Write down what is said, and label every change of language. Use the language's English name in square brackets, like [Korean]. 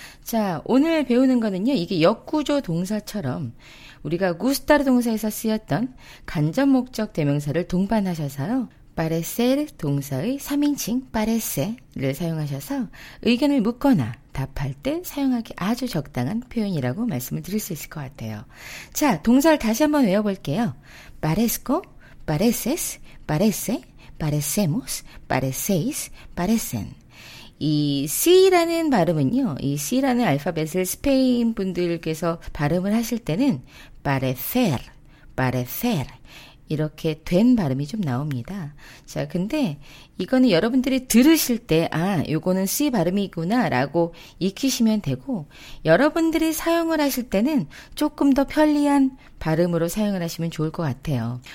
[Korean] 자, 오늘 배우는 거는요, 이게 역구조 동사처럼 우리가 gustar 동사에서 쓰였던 간접 목적 대명사를 동반하셔서요, parecer 동사의 3인칭 parece를 사용하셔서 의견을 묻거나 답할 때 사용하기 아주 적당한 표현이라고 말씀을 드릴 수 있을 것 같아요. 자, 동사를 다시 한번 외워볼게요. [Spanish] parezco, pareces, parece, parecemos, parecéis, parecen. [Korean] 이 C라는 발음은요, 이 C라는 알파벳을 스페인 분들께서 발음을 하실 때는 parecer, parecer 이렇게 된 발음이 좀 나옵니다. 자, 근데 이거는 여러분들이 들으실 때 아, 요거는 C 발음이구나 라고 익히시면 되고 여러분들이 사용을 하실 때는 조금 더 편리한 발음으로 사용을 하시면 좋을 것 같아요.